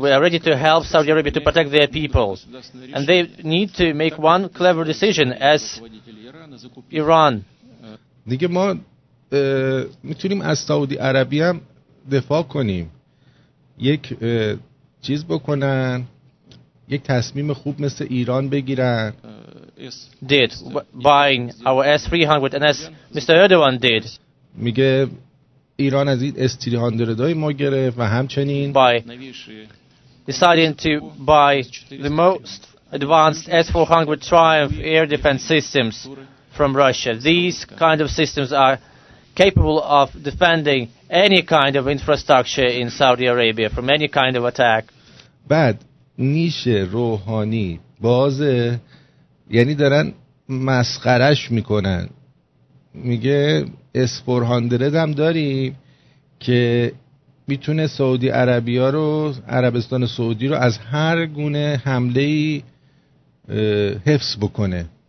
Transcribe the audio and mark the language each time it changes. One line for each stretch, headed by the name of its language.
English: We are ready to help Saudi Arabia to protect their people. And they need to make one clever decision as Iran.
Persian: دیگه ما میتونیم از سعودی عربی هم دفاع کنیم، یک چیز بکنن، یک تصمیم خوب مثل ایران بگیرن.
English: Did buying our S-300 and as Mr. Erdogan did.
Persian: میگه ایران از این S-300 های ما گرفت و همچنین
English: by deciding to buy the most advanced S-400 Triumph air defense systems from Russia. These kind of systems are capable of defending any kind of infrastructure in Saudi Arabia from any kind of attack.
Persian: بعد نیش روحانی بازه، یعنی دارن مسخرش میکنن. میگه S-400 هم داریم که میتونه سعودی عربیا رو، عربستان سعودی رو از هر گونه حمله‌ای حفظ بکنه.